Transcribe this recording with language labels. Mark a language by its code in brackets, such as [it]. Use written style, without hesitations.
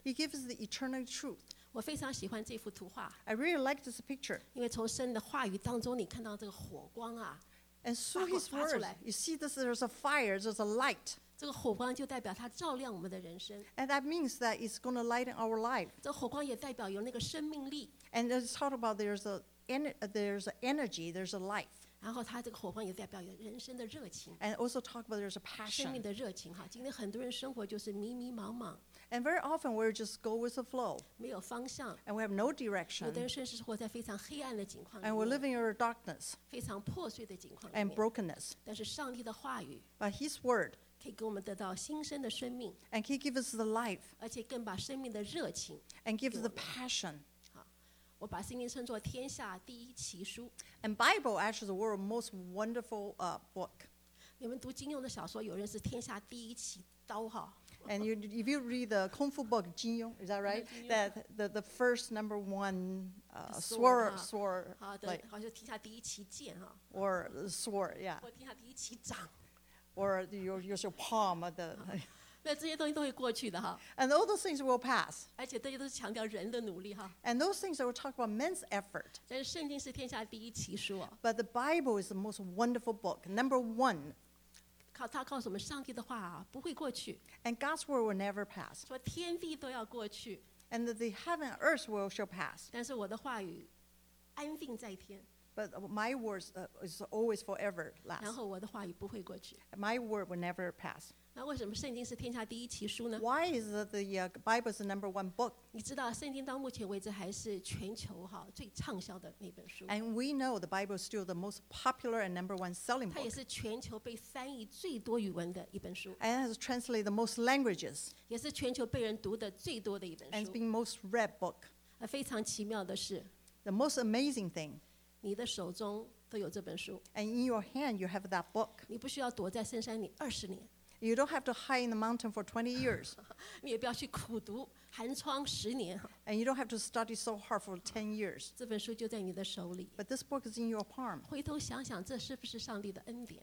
[en] He gives the eternal truth. [zh] 我非常喜欢这幅图画。 [en] I really like this picture. [zh] 因为从神的话语当中，你看到这个火光啊 [en] ，And through His word, you see this. There's a fire. There's a light. [zh] 这个火光就代表它照亮我们的人生。 [en] And that means that it's going to lighten our life. [zh] 这火光也代表有那个生命力。 [en] And it's talked about there's energy, there's a life. [zh] 然后它这个火光也代表有人生的热情。 [en] And also talk about there's a passion. [zh] 生命的热情哈，今天很多人生活就是迷迷茫茫。 [en] And very often we just go with the flow. [zh] 没有方向。 [en] And we have no direction. [zh] 有的人甚至活在非常黑暗的境况。 [en] And we're living in a darkness. [zh] 非常破碎的境况。 [en] And brokenness. [zh] 但是上帝的话语。 [en] But His word. [zh] 可以给我们得到新生的生命 [en] ，and He gives us the life， [zh] 而且更把生命的热情 [en] ，and gives the passion。 [zh] 我把圣经称作天下第一奇书 [en] ，and Bible actually is the world's most wonderful book。 [zh] 你们读金庸的小说，有人是天下第一奇刀哈。 [en] And you, if you read the Kung Fu book, Jin Yong, is that right? That the first number one sword, [zh] like 好像天下第一奇剑哈 [en] ，or sword, yeah， [zh] 或天下第一奇掌。 [en] Or your palm, the. [zh] 那这些东西都会过去的哈。 [en] And all those things will pass. [zh] 而且这些都是强调人的努力哈。 [en] And those things that will talk about men's effort. [zh] 但是圣经是天下第一奇书啊。 [en] But the Bible is the most wonderful book, number one. [zh] 靠它告诉我们，上帝的话啊不会过去。 [en] And God's word will never pass. [zh] 说天地都要过去。 [en] And the heaven and earth will shall pass. [zh] 但是我的话语安定在天。 [en] But my words is always forever last. [zh] 然后我的话语不会过去。 [en] My word will never pass. [zh] 那为什么圣经是天下第一奇书呢？ [en] Why is the Bible the number one book? [zh] 你知道圣经到目前为止还是全球最畅销的那本书。 [en] And we know the Bible is still the most popular and number one selling book. [zh] 它也是全球被翻译最多语文的一本书。 [en] And has translated the most languages. [zh] 也是全球被人读的最多的一本书。 [en] And it's been most read book. [zh] 非常奇妙的是。 [en] The most amazing thing. [zh] 你的手中都有这本书。 [en] And in your hand, you have that book. [zh] 你不需要躲在深山里二十年。 [en] You don't have to hide in the mountain for 20 years. [zh] 你也不要去苦读寒窗十年。 [en] And you don't have to study so hard for 10 years. [zh] 这本书就在你的手里。 [en] But this book is in your palm. [zh] 回头想想，这是不是上帝的恩典？